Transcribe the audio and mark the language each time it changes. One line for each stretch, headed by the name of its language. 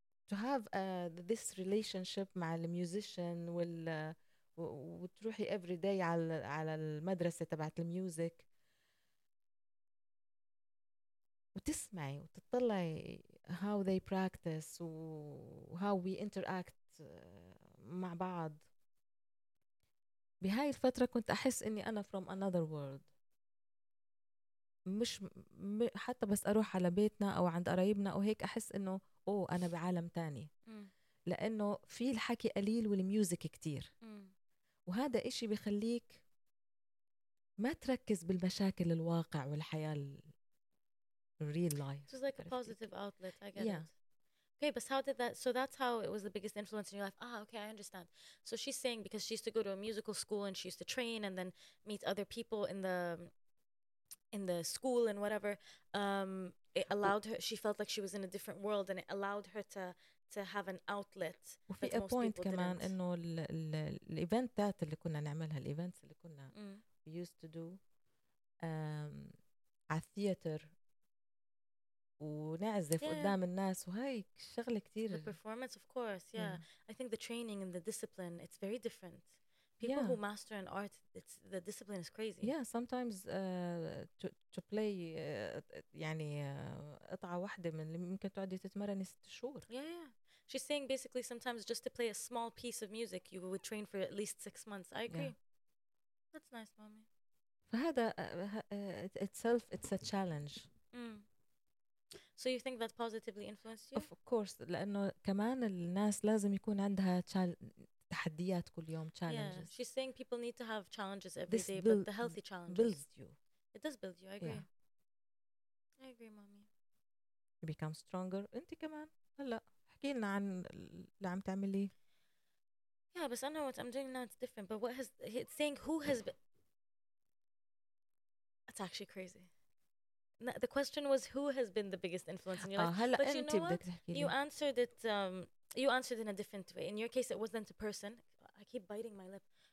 English: To have this relationship مع المusician وال
Arabic: وتروحي every day على المدرسة تبعت الميوزك وتسمعي وتطلعي
English: how they practice وhow we interact مع بعض.
Arabic: بهاي الفترة كنت أحس إني أنا
English: from another world.
Arabic: مش حتى بس أروح على بيتنا أو عند قرايبنا أو هيك أحس إنه أوه أنا بعالم تاني. لأنه في الحكي قليل والميوزك كتير. وهذا إشي بيخليك ما تركز بالمشاكل الواقع والحياة الريل لايف.
English: It's like a positive outlet. I get it. Okay, but how did that? So that's how it was the biggest influence in your life. Ah, okay, I understand. So she's saying because she used to go to a musical school and she used to train and then meet other people in the school and whatever. It allowed her. She felt like she was in a different world and it allowed her to have an outlet. وفي a point كمان إنه ال events
Arabic: اللي كنا نعملها,
English: the events اللي كنا we used to do at theater.
Arabic: ونعزف قدام الناس وهي شغلة كتير.
English: The performance, of course, yeah. I think the training and the discipline, it's very different. People who master an art, it's the discipline is crazy. Yeah, sometimes to play
Arabic: يعني قطعة واحدة من اللي ممكن تقعدي تتمرني 6 شهور.
English: Yeah. She's saying basically sometimes just to play a small piece of music, you would train for at least 6 months. I agree. Yeah. That's nice, mommy. فهذا itself, it's a challenge. So you think that positively influenced you? Of course,
Arabic: لأنه كمان الناس لازم يكون عندها تحديات كل يوم challenges.
English: Yeah, she's saying people need to have challenges every this day, but the healthy challenges builds you. It does build you. I agree. Yeah. I agree, mommy. You become stronger.
Arabic: أنت كمان. هلا حكي لنا عن اللي عم تعملي.
English: Yeah, but I know what I'm doing now. It's different. But what has it's saying? Who has been? It's actually crazy. The question was who has been the biggest influence in your life.
Arabic: هلا
English: but
Arabic: أنت
English: you know what? You answered it. You answered in a different way. In your case, it wasn't a person. I keep biting my lip.